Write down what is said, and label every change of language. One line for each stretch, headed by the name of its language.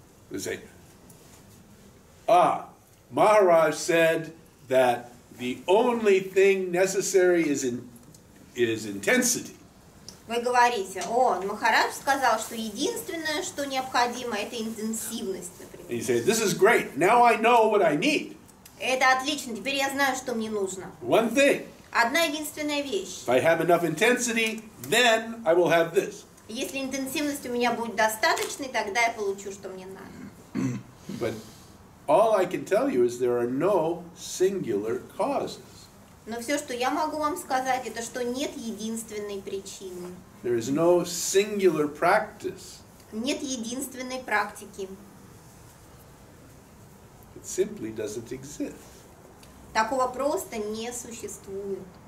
English: They say, Maharaj said that the only thing necessary is intensity.
Russian: Вы говорите, о, Махарадж сказал, что единственное, что необходимо, это интенсивность, например.
English: And you say, this is great. Now I know what I need.
Russian: Это отлично. Теперь я знаю, что мне нужно.
English: One thing.
Russian: Одна единственная вещь.
English: If I have enough intensity, then I will have this.
Russian: Если интенсивность у меня будет достаточной, тогда я получу, что мне надо.
English: But all I can tell you is there are no singular causes.
Russian: Но все, что я могу вам сказать, это что нет единственной причины.
English: There is no singular practice.
Russian: Нет единственной практики.
English: It simply doesn't exist.
Russian: Такого просто не существует.